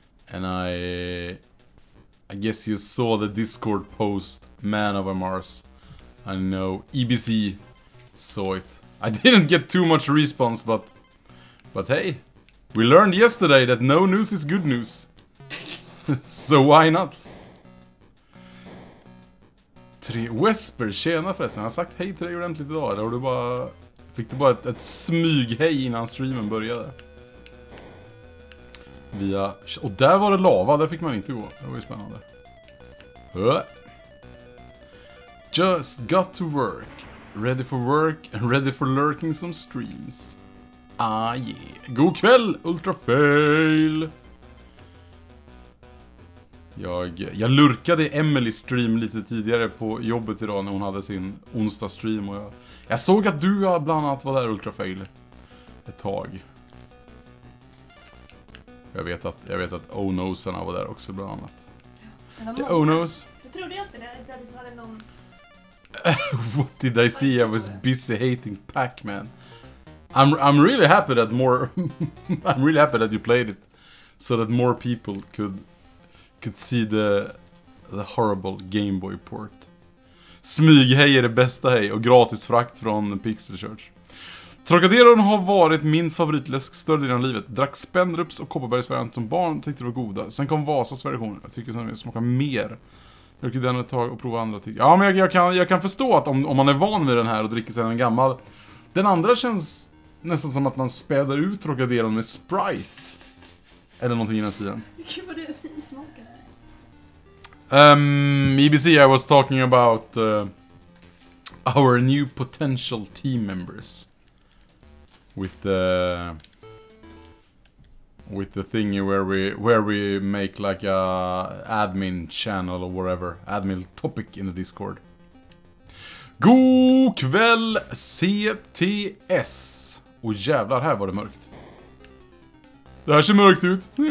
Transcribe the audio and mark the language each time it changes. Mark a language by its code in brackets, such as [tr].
[en] And I guess you saw the Discord post. Man over Mars. I know. EBC saw it. I didn't get too much response, but hey. We learned yesterday that no news is good news. So why not? [sv] Wesper, tjena förresten. Jag har sagt hej till dig ordentligt idag. Eller du bara... Fick du bara ett smyg hej innan streamen började. Via... Och där var det lava. Där fick man inte gå. Det var ju spännande. [en] Just got to work. Ready for work. And ready for lurking some streams. Ah yeah. [sv] God kväll, Ultra Fail. Jag lurkade Emily stream lite tidigare på jobbet idag när hon hade sin onsdag stream och jag såg att du bland annat var där Ultrafail ett tag. Jag vet att Onosarna var där också bland annat. Ja, det Onos. Du trodde inte det, att du hade någon [en] What did I see? I was busy hating Pac-Man. I'm really happy that more I'm really happy that you played it so that more people could see the horrible Game Boy port. [sv] Smyg hej är det bästa hej och gratis frakt från Pixel Church. Trocadero har varit min favoritläsk större delen av livet. Drack Spendrups och Kopparbergs variant som barn tyckte det var goda. Sen kom Vasas version. Jag tycker att den smakar mer. Jag kan den ett tag och prova andra tycker. Ja, men jag kan förstå att om man är van vid den här och dricker sedan en gammal. Den andra känns nästan som att man späder ut Trocadero med Sprite. Eller någonting i den sidan. Gud vad det är fin smak. [en] EBC, I was talking about our new potential team members with the thing where we make like a admin channel or whatever, admin topic in the Discord. [sv] God kväll CTS. Och jävlar, här var det mörkt. Det här ser mörkt ut.